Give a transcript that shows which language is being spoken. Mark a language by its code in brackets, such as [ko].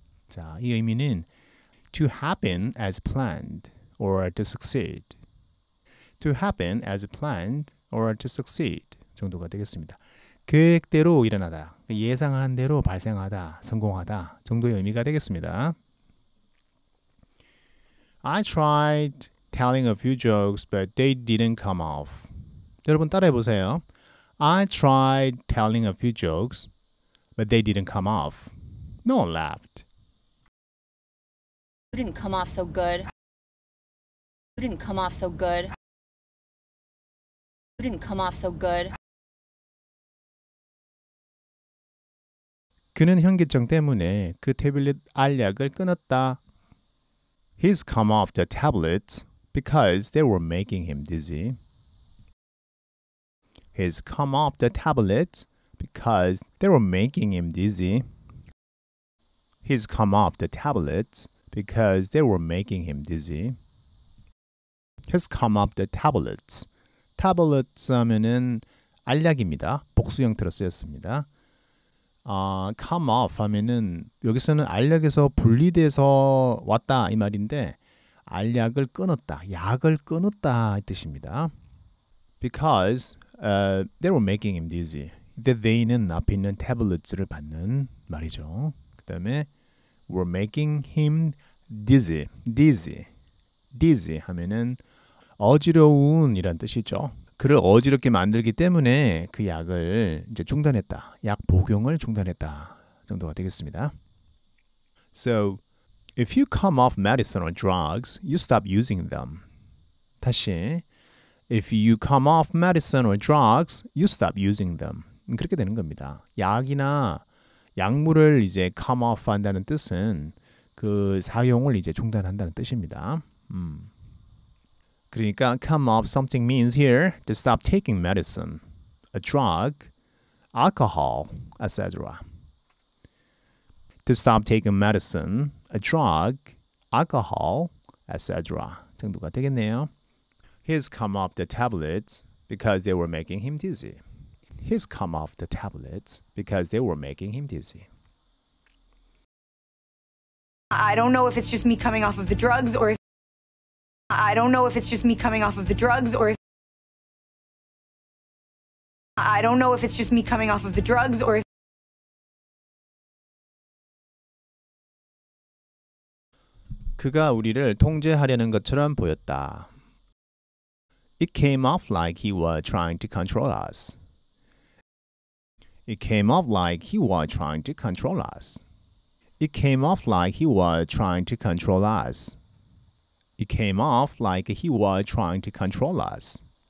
[ko] 자, 이 의미는 [en] to happen as planned or to succeed. To happen as planned or to succeed [ko] 정도가 되겠습니다. 계획대로 일어나다. 예상한 대로 발생하다. 성공하다. 정도의 의미가 되겠습니다. [en] I tried telling a few jokes, but they didn't come off. [ko] 여러분 따라해보세요. [en] I tried telling a few jokes, but they didn't come off. No one laughed. You didn't come off so good. You didn't come off so good. You didn't come off so good. 그는 현기증 때문에 그 태블릿 알약을 끊었다. He's come off the tablets because they were making him dizzy. He's come off the tablets because they were making him dizzy. He's come off the tablets because they were making him dizzy. He's come off the tablets. [ko] Tablets 하면은 알약입니다. 복수형태로 쓰였습니다. Come off 하면은 여기서는 알약에서 분리돼서 왔다 이 말인데 알약을 끊었다, 약을 끊었다 이 뜻입니다. [en] Because they were making him dizzy. [ko] They는 앞에 있는 tablets를 받는 말이죠. 그 다음에 [en] were making him dizzy. Dizzy. [ko] Dizzy 하면은 어지러운 이란 뜻이죠. 그를 어지럽게 만들기 때문에 그 약을 이제 중단했다. 약 복용을 중단했다 정도가 되겠습니다. [en] So, if you come off medicine or drugs, you stop using them. [ko] 다시, [en] if you come off medicine or drugs, you stop using them. [ko] 그렇게 되는 겁니다. 약이나 약물을 이제 come off 한다는 뜻은 그 사용을 이제 중단한다는 뜻입니다. 그러니까 [en] come off something means here to stop taking medicine, a drug, alcohol, etc. To stop taking medicine, a drug, alcohol, etc. [ko] 정도가 되겠네요. [en] He's come off the tablets because they were making him dizzy. He's come off the tablets because they were making him dizzy. I don't know if it's just me coming off of the drugs or if I don't know if it's just me coming off of the drugs or if I don't know if it's just me coming off of the drugs or if [ko] 그가 우리를 통제하려는 것처럼 보였다. [en] It came off like he was trying to control us. It came off like he was trying to control us. It came off like he was trying to control us. It came off like he was trying to control us.